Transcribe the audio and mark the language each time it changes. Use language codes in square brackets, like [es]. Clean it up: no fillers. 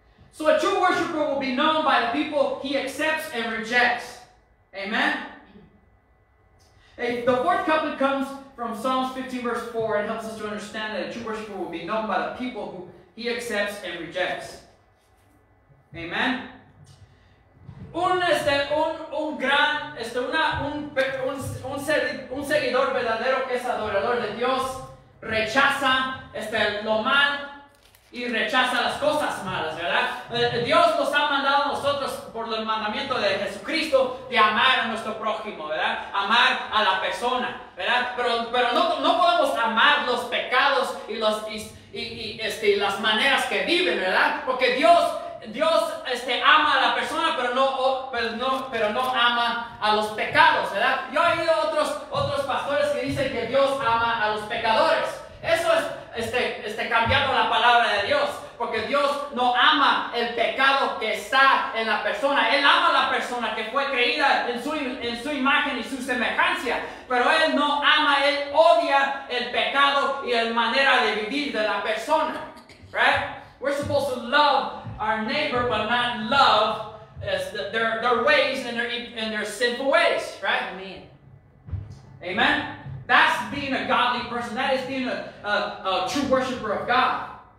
[en] So a true worshiper will be known by the people he accepts and rejects. Amen? The fourth couplet comes from Psalms 15, verse 4, and helps us to understand that a true worshiper will be known by the people who he accepts and rejects. Amen. [es] Un seguidor verdadero que es adorador de Dios rechaza lo mal y rechaza las cosas malas, ¿verdad? Dios nos ha mandado a nosotros por el mandamiento de Jesucristo de amar a nuestro prójimo, ¿verdad? Amar a la persona, ¿verdad? Pero no podemos amar los pecados y las maneras que viven, ¿verdad? Porque Dios ama a la persona, pero no ama a los pecados, ¿verdad? Yo he oído otros pastores que dicen que Dios ama a los pecadores. Eso es cambiando la palabra de Dios, porque Dios no ama el pecado que está en la persona. Él ama a la persona que fue creída en su imagen y su semejanza, pero Él no ama, Él odia el pecado y la manera de vivir de la persona, ¿verdad? [en] We're supposed to love our neighbor, but not love their ways and their sinful ways, right? Amen. Amen. That's being a godly person. That is being a true worshiper of God.